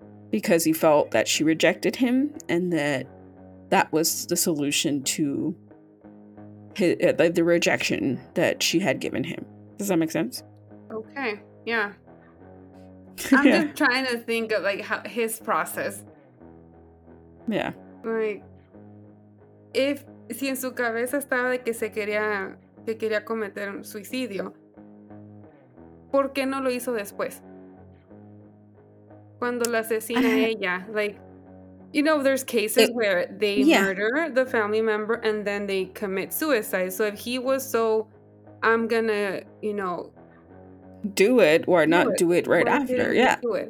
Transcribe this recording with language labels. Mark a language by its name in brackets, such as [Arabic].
[English] Because he felt that she rejected him and that was the solution to the rejection that she had given him. Does that make sense? Okay, yeah. I'm just trying to think of, like, how his process. Yeah. [Spanish] Like, si en su cabeza estaba de que quería cometer un suicidio, ¿por qué no lo hizo después? Cuando la asesina ella, [English] like, you know, there's cases where they murder the family member and then they commit suicide. So if he was so, I'm gonna, you know, do it or not do it right after. Yeah.